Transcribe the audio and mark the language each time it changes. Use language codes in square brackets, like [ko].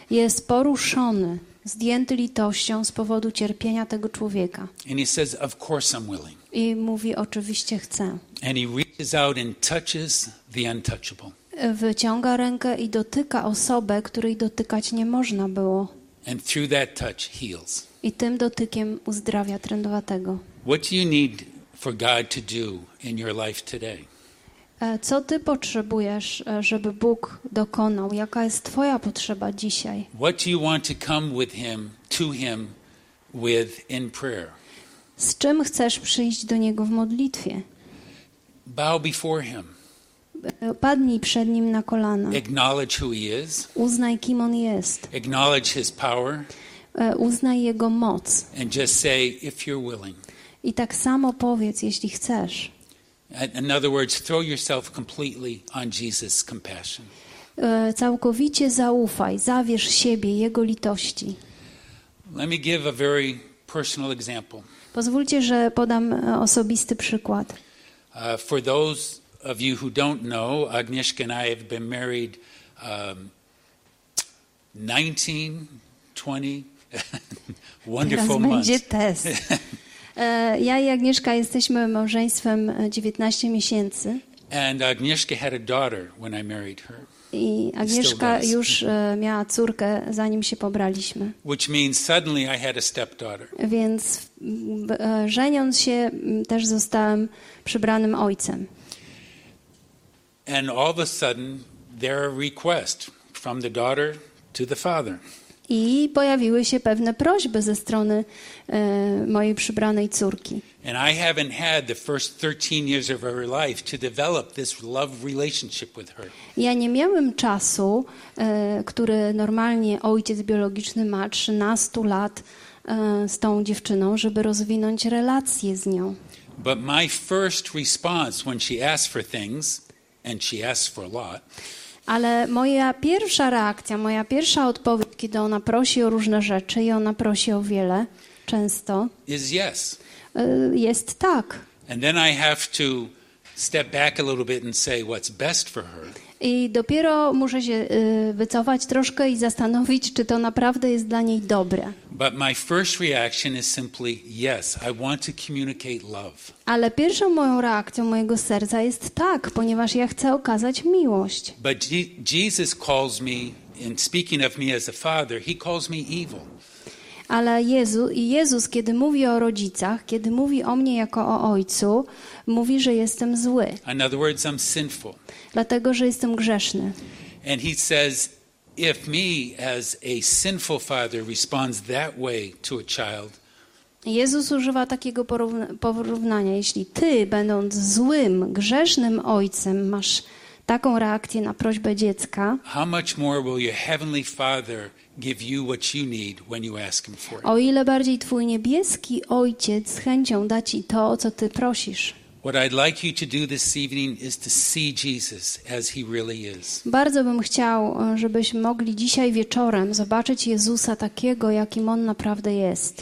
[pl] Jest poruszony, zdjęty litością z powodu cierpienia tego człowieka. [en] And he says, of course I'm willing. [pl] I mówi: oczywiście chcę. [en] And he reaches reaches out and touches the untouchable. [pl] Wyciąga rękę i dotyka osobę, której dotykać nie można było. [en] And through that touch heals. [pl] I tym dotykiem uzdrawia trędowatego. [en] What do you need for God to do in your life today? [pl] Co ty potrzebujesz, żeby Bóg dokonał? Jaka jest twoja potrzeba dzisiaj? [en] What do you want to come with him, to him with in prayer? [pl] Z czym chcesz przyjść do niego w modlitwie? [en] Bow before him. [pl] Padnij przed nim na kolana. [en] Acknowledge who he is. [pl] Uznaj, kim on jest. [en] Acknowledge his power. [pl] Uznaj jego moc. [en] And just say, if you're willing. [pl] I tak samo powiedz, jeśli chcesz. [en] In other words, throw yourself completely on Jesus' compassion. [pl] Całkowicie zaufaj, zawierz siebie jego litości. [en] Let me give a very personal example. [pl] Pozwólcie, że podam osobisty przykład. [en] For those of you who don't know, Agnieszka and I have been married 19, 20 wonderful months. [pl] Będzie test. Ja i Agnieszka jesteśmy małżeństwem 19 miesięcy. [en] And Agnieszka had a daughter when I married her. [pl] I Agnieszka już miała córkę, zanim się pobraliśmy. [en] Which means suddenly I had a stepdaughter. [pl] Więc żeniąc się, też zostałem przybranym ojcem. [en] And all of a sudden there a request from the daughter to the father. [pl] I pojawiły się pewne prośby ze strony mojej przybranej córki. [en] And I haven't had the first 13 years of her life to develop this love relationship with her. [pl] Ja nie miałem czasu, który normalnie ojciec biologiczny ma, 13 lat z tą dziewczyną, żeby rozwinąć relację z nią. [en] But my first response when she asked for things, and she asked for a lot. [pl] Ale moja pierwsza reakcja, moja pierwsza odpowiedź, kiedy ona prosi o różne rzeczy i ona prosi o wiele, często, [en] is yes. [pl] Jest tak. [en] And then I have to step back a little bit and say what's best for her. [pl] I dopiero muszę się wycofać troszkę i zastanowić, czy to naprawdę jest dla niej dobre. [en] But my first reaction is simply yes, I want to communicate love. [pl] Ale pierwszą moją reakcją mojego serca jest tak, ponieważ ja chcę okazać miłość. [en] But Jesus calls me, in speaking of me as a father, he calls me evil. [pl] Ale Jezus, kiedy mówi o rodzicach, kiedy mówi o mnie jako o ojcu, mówi, że jestem zły. [en] In other words, I'm sinful. [pl] Dlatego, że jestem grzeszny. [en] And he says, if me as a sinful father responds that way to a child. [pl] Jezus używa takiego porównania, jeśli ty, będąc złym, grzesznym ojcem, masz taką reakcję na prośbę dziecka. [en] How much more will your heavenly father give you what you need when you ask him for it? [pl] O ile bardziej twój niebieski ojciec z chęcią da ci to, o co ty prosisz. [en] What I'd like you to do this evening is to see Jesus as he really is. [pl] Bardzo bym chciał, żebyśmy mogli dzisiaj wieczorem zobaczyć Jezusa takiego, jakim on naprawdę jest.